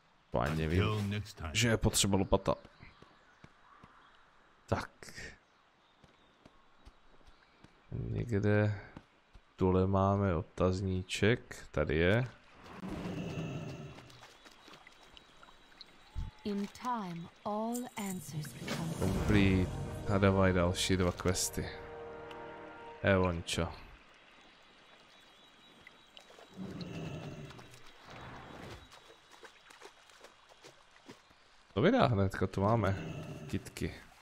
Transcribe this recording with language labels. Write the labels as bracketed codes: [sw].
[cs] To ani nevím, že je potřeba lopata. Tak. Někde tule máme otazníček. Tady je. [en] In time, all answers become complete. [cs] A dávaj další dva questy. Evončo. To vydá hnedka, to máme. Kytky.